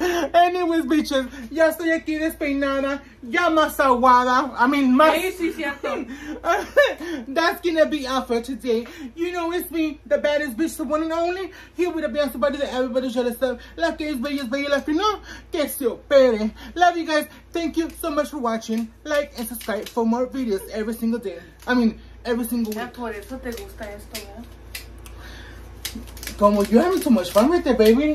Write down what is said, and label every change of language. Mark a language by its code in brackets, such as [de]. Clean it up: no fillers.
[en] Anyways, bitches, [es] ya estoy aquí despeinada, ya más aguada. [en] I mean, [es] más. Sí, sí, cierto. [en] That's gonna be out for today. You know, it's me, the baddest bitch, the one and only. Here with the best body that everybody should have said. [es] La que es bella, es bella, la que no, que se opere. [en] Love you guys. Thank you so much for watching. Like and subscribe for more videos every single day. I mean, every single week. [es] Ya por eso te gusta esto, ¿no? Como [en] you having so much fun with it, baby.